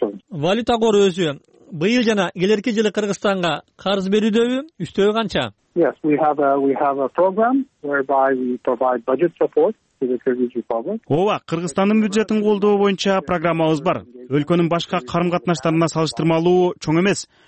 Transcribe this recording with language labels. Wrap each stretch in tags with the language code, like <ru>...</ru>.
<ky>Валюта кору өзү быйыл жана келерки жылы Кыргызстанга карыз берүүдөбү? Үстөгү канча?</ky> <en>Yes, we have a program whereby we provide budget support.</en> <ky>Ооба, Кыргызстандын бюджетин колдоо боюнча программабыз бар. Өлкөнүн башка карым катнаштарына салыштырмалуу чоң эмес.</ky>